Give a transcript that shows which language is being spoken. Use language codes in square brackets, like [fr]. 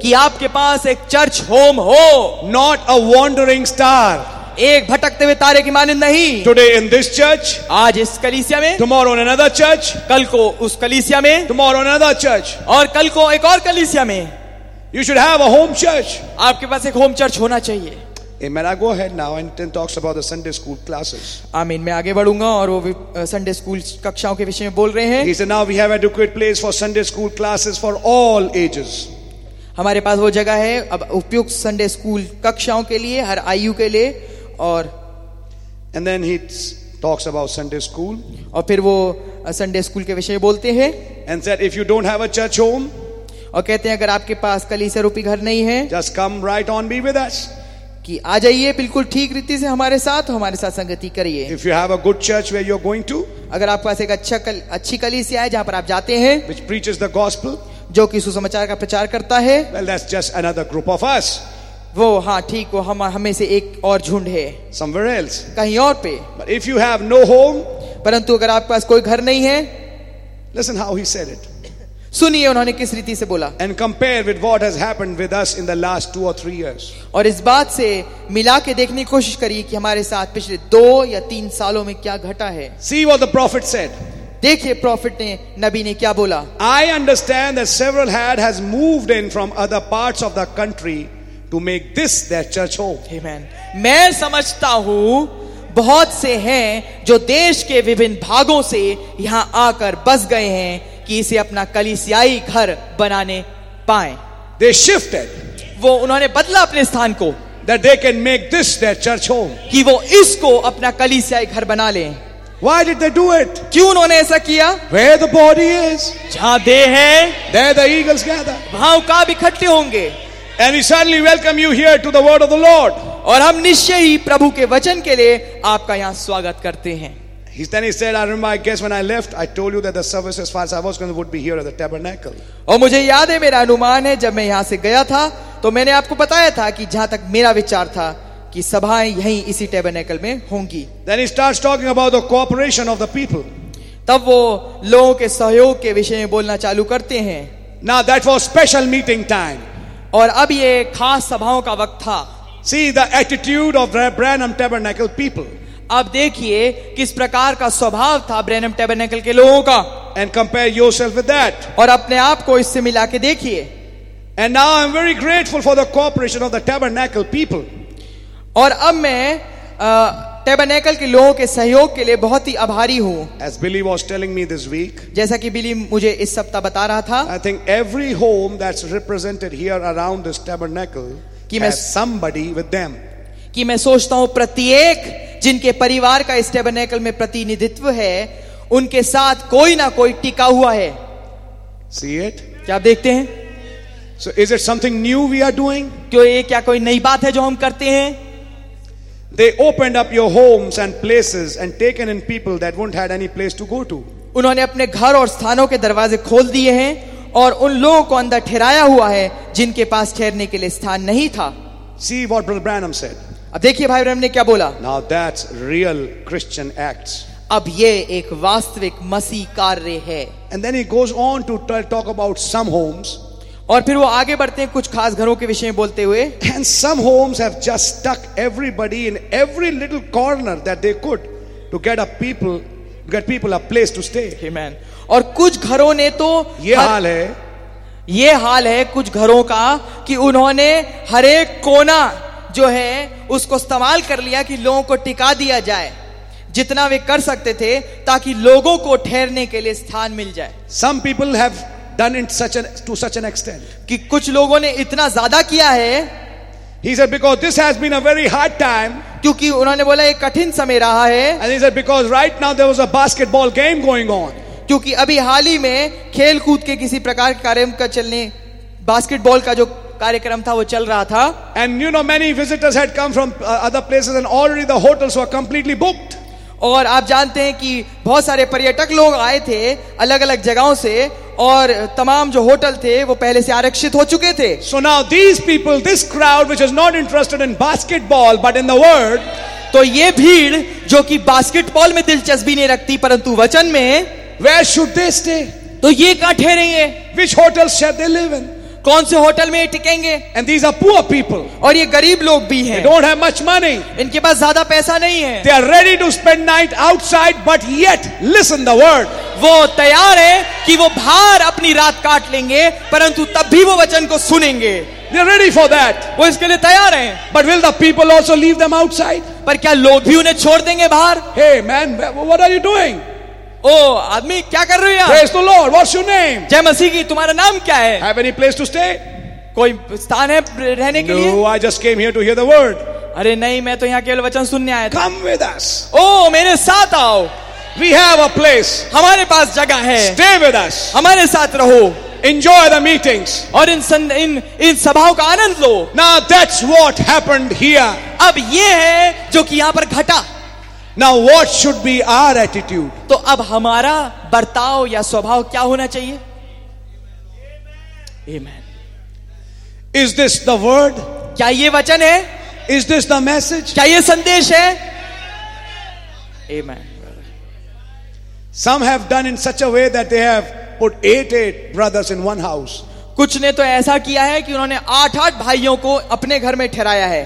[hi] कि आपके पास एक चर्च होम हो. [en] Not a wandering star. [hi] एक भटकते हुए तारे की माने नहीं. [en] Today in this church, [hi] आज इस कलीसिया में. [en] Tomorrow in another church, [hi] कल को उस कलीसिया में. [en] Tomorrow in another church, [hi] और कल को एक और कलीसिया में. [en] You should have a home church. [hi] आपके पास एक होम चर्च होना चाहिए. [en] Amen. I go ahead now and then talks about the Sunday school classes. Amen. [hi] मैं आगे बढ़ूंगा और वो Sunday school कक्षाओं के विषय में बोल रहे हैं. [en] He said, now we have adequate place for Sunday school classes for all ages. [hi] हमारे पास वो जगह है अब उपयुक्त संडे स्कूल कक्षाओं के लिए हर आयु के लिए. और [en] And then he talks about Sunday school. [hi] और फिर वो संडे स्कूल के विषय बोलते हैं. [en] And said if you don't have a church home. [hi] और कहते हैं अगर आपके पास कलीसिया रूपी घर नहीं है. [en] Just come right on be with us. [hi] कि आ जाइए बिल्कुल ठीक रीति से हमारे साथ संगति करिए. [en] If you have a good church where you are going to. [hi] अगर आपके पास एक अच्छी कलीसिया है जहां पर आप जाते हैं. [en] Which preaches the gospel. [hi] जो कि सुसमाचार का प्रचार करता है. [en] Well, that's just another group of us. [hi] वो हाँ ठीक वो हमें से एक और झुंड है. [en] Somewhere else. [hi] कहीं और पे. [en] But if you have no home. [hi] परंतु अगर आपके पास कोई घर नहीं है. [en] Listen how he said it. [hi] सुनिए उन्होंने किस रीति से बोला. [en] And compare with what has happened with us in the last two or three years. [hi] और इस बात से मिला के देखने की कोशिश करिए कि हमारे साथ पिछले दो या तीन सालों में क्या घटा है. [en] See what the prophet said. [hi] देखिए प्रॉफिट ने नबी ने क्या बोला. [en] I understand that several had has moved in from other parts of the country to make this their church home. [hi] आमेन. मैं समझता हूं बहुत से हैं जो देश के विभिन्न भागों से यहां आकर बस गए हैं कि इसे अपना कलीसियाई घर बनाने पाए. [en] They shifted. [hi] वो उन्होंने बदला अपने स्थान को. [en] That they can make this their church home. [hi] कि वो इसको अपना कलीसियाई घर बना लें. [en] Why did they do it? [hi] क्यों उन्होंने ऐसा किया? [en] Where the body is? [hi] जहाँ देह है. [en] There the eagles gather. [hi] वहाँ उकाब इकट्ठे होंगे. [en] And we suddenly welcome you here to the word of the Lord. [hi] और हम निश्चय ही प्रभु के वचन के लिए आपका यहाँ स्वागत करते हैं. [en] He said, I remember, I guess when I left, I told you that the service as far as I was going would be here at the tabernacle. [hi] और मुझे याद है मेरा अनुमान है जब मैं यहाँ से गया था तो मैंने आपको बताया था कि जहाँ तक मेरा विचार था कि सभाएं यहीं इसी टैबरनेकल में होंगी. [en] Then he starts talking about the cooperation of the people. [hi] तब वो लोगों के सहयोग के विषय में बोलना चालू करते हैं. [en] Now that was special meeting time. [hi] और अब ये खास सभाओं का वक्त था. [en] See the attitude of the Branham Tabernacle people. [hi] अब देखिए किस प्रकार का स्वभाव था ब्रैनम टैबरनेकल के लोगों का. [en] And compare yourself with that. [hi] और अपने आप को इससे मिला के देखिए. [en] And now I'm very grateful for the cooperation of the Tabernacle people. [hi] और अब मैं टैबरनेकल के लोगों के सहयोग के लिए बहुत ही आभारी हूं. [en] As Billy was telling me this week, [hi] जैसा कि बिली मुझे इस सप्ताह बता रहा था. [en] I think every home that's represented here around this tabernacle has somebody with them. [hi] कि मैं सोचता हूं प्रत्येक जिनके परिवार का इस टैबरनेकल में प्रतिनिधित्व है उनके साथ कोई ना कोई टिका हुआ है. [en] See it? [hi] क्या आप देखते हैं? [en] So is it something new we are doing? [hi] क्यों ये क्या कोई नई बात है जो हम करते हैं? [en] They opened up your homes and places and taken in people that won't had any place to go to. [hi] उन्होंने अपने घर और स्थानों के दरवाजे खोल दिए हैं और उन लोगों को अंदर ठहराया हुआ है जिनके पास ठहरने के लिए स्थान नहीं था. [en] See what Brother Branham said. [hi] अब देखिए भाई ब्रैनम ने क्या बोला. [en] Now that's real Christian acts. [hi] अब ये एक वास्तविक मसीह कार्य है. [en] And then he goes on to talk about some homes. [hi] और फिर वो आगे बढ़ते हैं कुछ खास घरों के विषय में बोलते हुए. [en] And some homes have just stuck everybody in every little corner that they could to get a people, get people a place to stay. [hi] Amen. और कुछ घरों ने तो ये हाल है कुछ घरों का कि उन्होंने हर एक कोना जो है उसको इस्तेमाल कर लिया कि लोगों को टिका दिया जाए जितना वे कर सकते थे ताकि लोगों को ठहरने के लिए स्थान मिल जाए. [en] Some people have done it to such an extent. [hi] कि कुछ लोगों ने इतना ज्यादा किया है. [en] He said because this has been a very hard time. [hi] क्योंकि उन्होंने बोला एक कठिन समय रहा है. [en] And he said because right now there was a basketball game going on. [hi] क्योंकि अभी हाल ही में खेल कूद के किसी प्रकार के कार्यक्रम का चलने बास्केटबॉल का जो कार्यक्रम था वो चल रहा था. [en] And you know many visitors had come from other places and already the hotels were completely booked. [hi] और आप जानते हैं कि बहुत सारे पर्यटक लोग आए थे अलग अलग जगहों से और तमाम जो होटल थे वो पहले से आरक्षित हो चुके थे. [en] So now these people, this crowd which is not interested in basketball but in the word, [hi] तो ये भीड़ जो कि बास्केटबॉल में दिलचस्पी नहीं रखती परंतु वचन में, [en] where should they stay? [hi] तो ये कहां ठहरेंगे? [en] Which hotels shall they live in? [hi] कौन से होटल में टिकेंगे? [en] And these are poor people. [hi] और ये गरीब लोग भी हैं. [en] They don't have much money. [hi] इनके पास ज़्यादा पैसा नहीं है. [en] They are ready to spend night outside, but yet listen the word. [hi] वो तैयार है कि वो बाहर अपनी रात काट लेंगे परंतु तब भी वो वचन को सुनेंगे. [en] They are ready for that. [hi] वो इसके लिए तैयार हैं. [en] But will the people also leave them outside? [hi] पर क्या लोग भी उन्हें छोड़ देंगे बाहर? [en] Hey man, what are you doing? [hi] Oh, आदमी क्या कर रहे हो यार? [en] Praise the Lord. What's your name? [hi] जय मसीह की. तुम्हारा नाम क्या है? [en] Have any place to stay? [hi] कोई स्थान है रहने के लिए? [en] No, I just came here to hear the word. [hi] अरे नहीं, मैं तो यहाँ केवल वचन सुनने आया था. [en] Come with us. [hi] Oh, मेरे साथ आओ. [en] We have a place. [hi] हमारे पास जगह है. [en] Stay with us. [hi] हमारे साथ रहो. [en] Enjoy the meetings. [hi] और इन सभाओं का आनंद लो. [en] Now that's what happened here. [hi] अब ये है जो कि यहाँ पर घटा. [en] Now what should be our attitude? [hi] तो अब हमारा बर्ताव या स्वभाव क्या होना चाहिए? [en] Amen. Is this the word? [hi] क्या ये वचन है? [en] Is this the message? [hi] क्या ये संदेश है? Amen. [en] Some have done in such a way that they have put 8-8 brothers in one house. [hi] कुछ ने तो ऐसा किया है कि उन्होंने 8-8 भाइयों को अपने घर में ठहराया है.